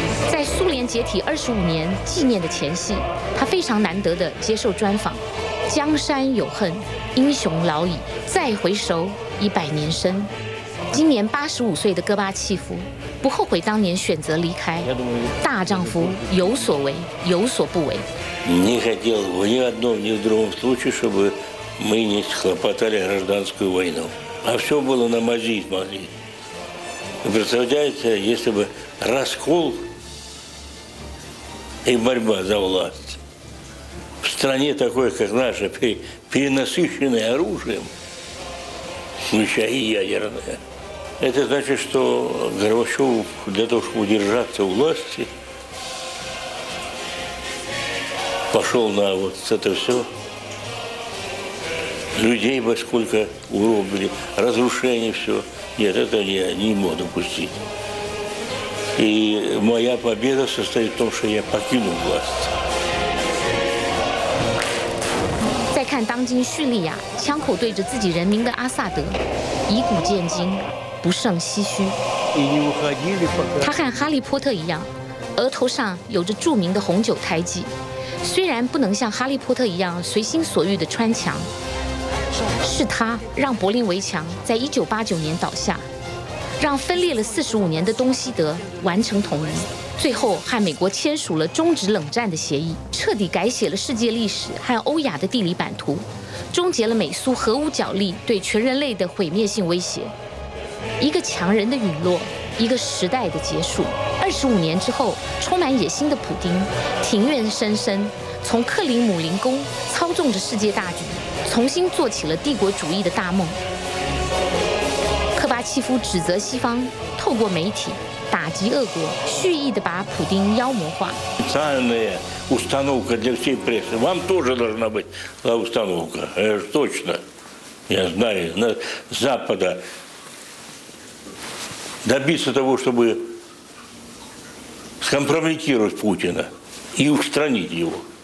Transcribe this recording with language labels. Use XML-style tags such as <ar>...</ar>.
<zh>在苏联解体25年纪念的前夕，他非常难得的接受专访。江山有恨，英雄老矣，再回首已百年生。今年85岁的戈巴契夫不后悔当年选择离开，大丈夫有所为有所不为。</zh> <ru>не хотел бы ни в одном ни в другом случае, чтобы мы не схлопотали гражданскую войну. А все было на мази, мази. Представляете, если бы раскол и борьба за власть в стране такой, как наша, перенасыщенной оружием, включая и ядерное, это значит, что Горбачеву для того, чтобы удержаться у власти, пошел на вот это все. Людей бы сколько уробили, разрушение все. Нет, это я не могу допустить. И моя победа состоит в том, что я покинул власть.</ru> <zh>再看当今叙利亚，枪口对着自己人民的阿萨德，以古见今，不胜唏嘘。他和哈利波特一样，额头上有着著名的红酒胎记，虽然不能像哈利波特一样随心所欲的穿墙，是他让柏林围墙在1989年倒下。让分裂了45年的东西德完成统一，最后和美国签署了终止冷战的协议，彻底改写了世界历史和欧亚的地理版图，终结了美苏核武角力对全人类的毁灭性威胁。一个强人的陨落，一个时代的结束。25年之后，充满野心的普丁，庭院深深，从克林姆林宫操纵着世界大局，重新做起了帝国主义的大梦。戈巴契夫指责西方透过媒体打击俄国，蓄意地把普丁妖魔化。</zh> <ru>специальная установка для всей прессы. Вам тоже должна быть установка. Это же точно. Я знаю. На Запада добиться того, чтобы скомпрометировать Путина и устранить его.</ru>